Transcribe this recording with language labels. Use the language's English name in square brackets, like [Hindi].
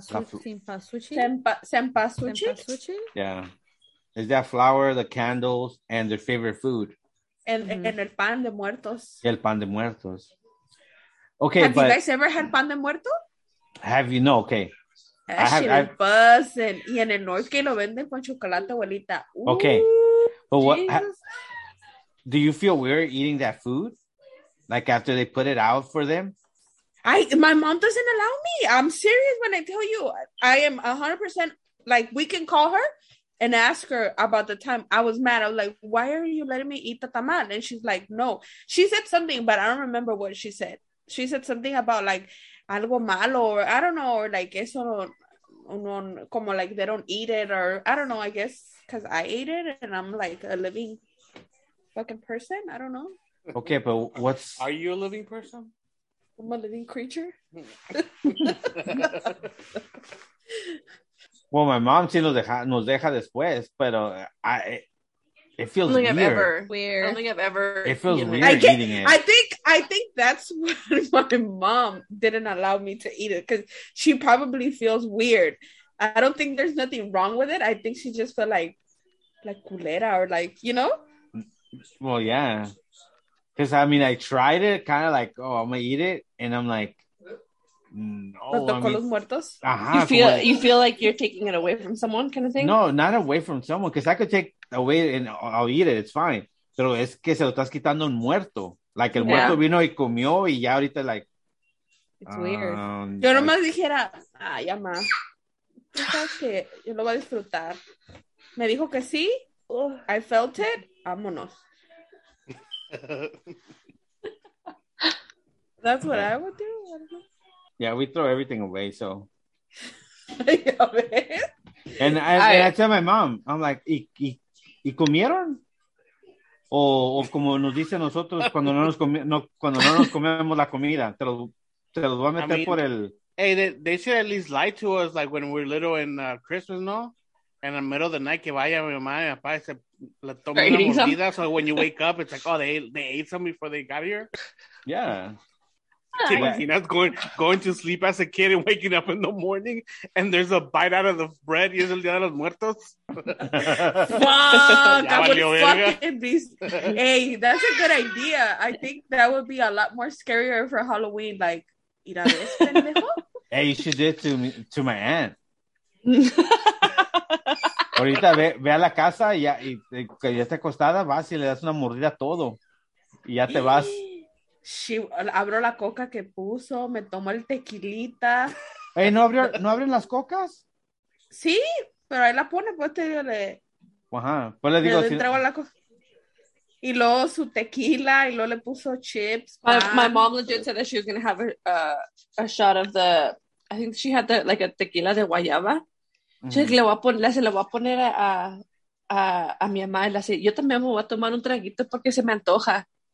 [Spanish] Cempasúchil. [English] Yeah. Is that flower, the candles, and their favorite food. [Spanish] And el pan de muertos. El pan de muertos. Okay, [English] have you guys ever had pan de muerto? Have you? No, okay. I have buzzing. [Spanish] Y en el norte que lo venden con chocolate, abuelita. [English] Ooh, okay. But what? Do you feel weird eating that food? Like after they put it out for them? My mom doesn't allow me. I'm serious when I tell you. I am 100%, like, we can call her and ask her about the time I was mad. I was like, why are you letting me eat the tamal? And she's like, no. She said something, but I don't remember what she said. She said something about, like, algo malo, or I don't know, or, like, eso, como, like, they don't eat it, or I don't know, I guess, because I ate it, and I'm, like, a living fucking person. I don't know. Okay, but what's... Are you a living person? I'm a living creature. Well, my mom sí nos deja después, pero it feels weird. It feels weird eating it. I think that's what my mom didn't allow me to eat it, because she probably feels weird. I don't think there's nothing wrong with it. I think she just felt like culera, or like, you know? Well, yeah. Because, I mean, I tried it, kind of like, oh, I'm going to eat it. And I'm like, no. [Spanish] ¿Tocó los muertos? Ajá, [English] you feel like you're taking it away from someone kind of thing? No, not away from someone. Because I could take away and I'll eat it. It's fine. [Spanish] Pero es que se lo estás quitando un muerto. Like, muerto vino y comió y ya ahorita, like. [English] It's weird. [Spanish] Yo nomás dijera, ay, mamá. ¿Tú sabes que yo lo voy a disfrutar? Me dijo que sí. I felt it. Vámonos. [English] That's what I would do. Yeah, we throw everything away. So, and I tell my mom, I'm like, ¿y comieron? [Spanish] O como nos dicen nosotros cuando no nos comemos la comida, te lo voy a meter, I mean, por el. [English] Hey, they should at least lie to us, like when we're little in Christmas, no? [Spanish] In the middle of the night, que vaya mi mamá y mi papá, se le toma una mordida. [English] So when you wake up, it's like, oh, they ate some before they got here. Yeah. Imagina going to sleep as a kid and waking up in the morning and there's a bite out of the bread. [Spanish] Y es el día de los muertos. [English] Fuck, I would fucking be. Hey, that's a good idea. I think that would be a lot more scarier for Halloween. [Spanish] Like, ir a ver, pendejo. [English] Hey, you should do it to my aunt. [Spanish] Ahorita ve a la casa y ya está acostada, vas y le das una mordida a todo y ya te vas. Sí, abro la coca que puso, me tomo el tequilita. Hey, ¿no abren las cocas? Sí, pero ahí la pone, pues te digo, le digo, entrego la coca. Y luego su tequila, y luego le puso chips. [English] My mom legit said that she was going to have a shot of the, I think she had a tequila de guayaba. Mm-hmm. [Spanish] Le voy a poner a mi mamá, y le yo también me voy a tomar un traguito porque se me antoja.